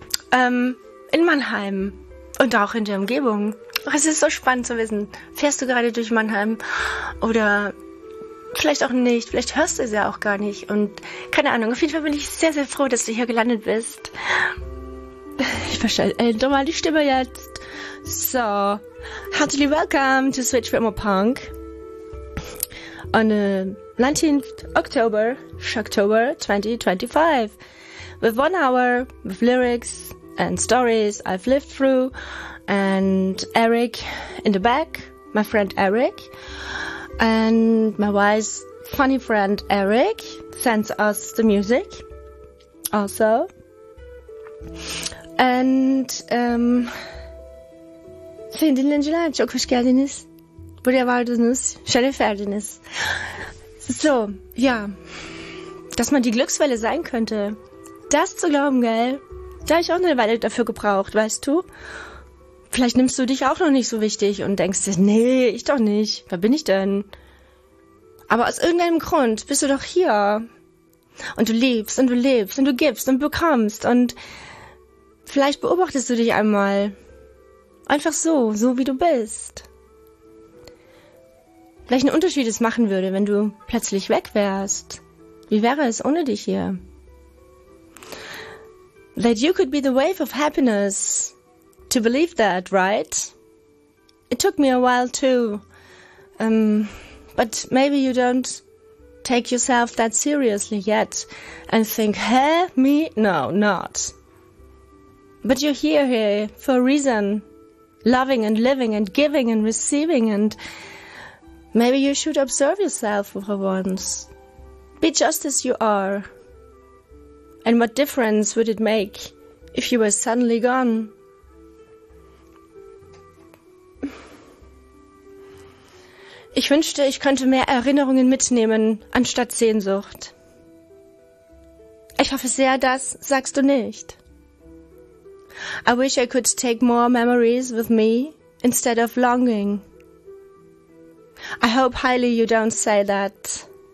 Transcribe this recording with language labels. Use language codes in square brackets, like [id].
[de] In Mannheim und auch in der Umgebung. Es ist so spannend zu wissen, fährst du gerade durch Mannheim oder vielleicht auch nicht, vielleicht hörst du es ja auch gar nicht. Und keine Ahnung, auf jeden Fall bin ich sehr, sehr froh, dass du hier gelandet bist. Ich verstehe doch mal die Stimme jetzt. [en] So, heartily welcome to Switch Rhythm Punk on the 19th October, Shocktober 2025. With 1 hour, with lyrics and stories I've lived through, and Eric in the back, my friend Eric, and my wise, funny friend Eric sends us the music also. [tr] And, Sayın dinleyiciler, çok hoş geldiniz. Buraya vardınız, şeref verdiniz. [de] So, ja. Dass man die Glückswelle sein könnte, das zu glauben, gell? Da habe ich auch eine Weile dafür gebraucht, weißt du? Vielleicht nimmst du dich auch noch nicht so wichtig und denkst dir, nee, ich doch nicht. Wer bin ich denn? Aber aus irgendeinem Grund bist du doch hier. Und du lebst und du lebst und du gibst und bekommst. Und vielleicht beobachtest du dich einmal. Einfach so, so wie du bist. Welchen Unterschied es machen würde, wenn du plötzlich weg wärst. Wie wäre es ohne dich hier? [en] That you could be the wave of happiness. To believe that, right? It took me a while too. But maybe you don't take yourself that seriously yet. And think, hey, me? No, not. But you're here, here for a reason. Loving and living and giving and receiving, and maybe you should observe yourself for once. Be just as you are. And what difference would it make if you were suddenly gone? [de] Ich wünschte, ich könnte mehr Erinnerungen mitnehmen anstatt Sehnsucht. Ich hoffe sehr, das sagst du nicht. [en] I wish I could take more memories with me instead of longing. I hope highly you don't say that.